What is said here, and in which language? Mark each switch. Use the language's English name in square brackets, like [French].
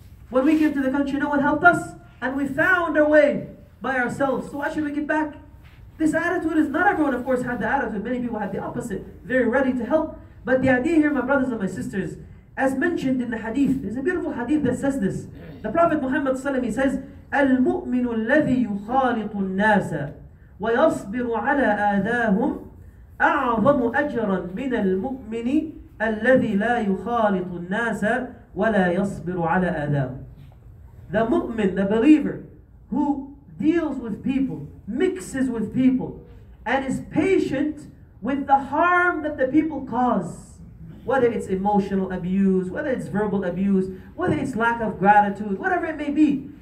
[English] When we came to the country, no one helped us, and we found our way by ourselves. So why should we give back? This attitude is not everyone, of course, had the attitude. Many people had the opposite, very ready to help. But the idea here, my brothers and my sisters, as mentioned in the hadith, there's a beautiful hadith that says this. The Prophet Muhammad ﷺ, he says, [Arabic] المؤمن الذي يخالط الناس ويصبر على آذاهم أعظم أجرا من المؤمن الذي لا يخالط الناس ولا يصبر على آذاهم. [English] The mu'min, the believer, who deals with people, mixes with people, and is patient with the harm that the people cause, whether it's emotional abuse, whether it's verbal abuse, whether it's lack of gratitude, whatever it may be.